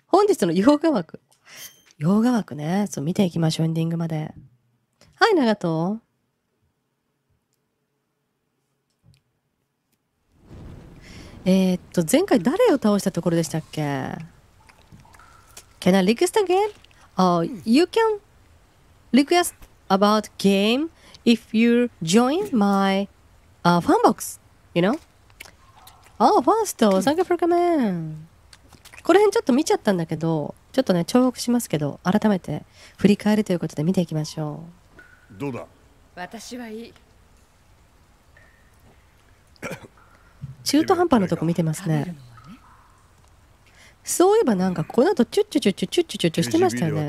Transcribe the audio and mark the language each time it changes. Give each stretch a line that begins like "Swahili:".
Japanese: 本日の洋画枠。洋画枠ね、そう、見ていきましょう、エンディングまで。はい、長門。前回誰を倒したところでしたっけ？
English: Can I request a game? You can request about game if you join my fan box, you know? Oh, first, thank you for coming.
Japanese: この辺ちょっと見ちゃったんだけど、ちょっとね、重複しますけど、改めて振り返るということで見ていきましょう。どうだ？私はいい。中途半端なとこ見てますね。そういえばなんかこの後チュッチュチュッチュチュッチュチュッチュしてましたよね。